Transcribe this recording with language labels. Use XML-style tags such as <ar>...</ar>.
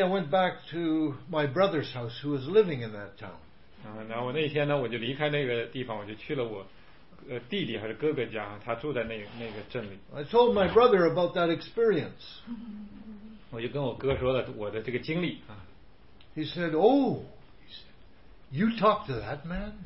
<en>I went back to my brother's house, who was living in that town.</en> <zh>然后我那天呢，我就离开那个地方，我就去了我。弟弟还是哥哥家，他住在那个镇里。</zh> <en>I told my brother about that experience.</en> <zh>我就跟我哥说了我的这个经历啊。</zh> <en>He said, "Oh, you talk to that man?"</en>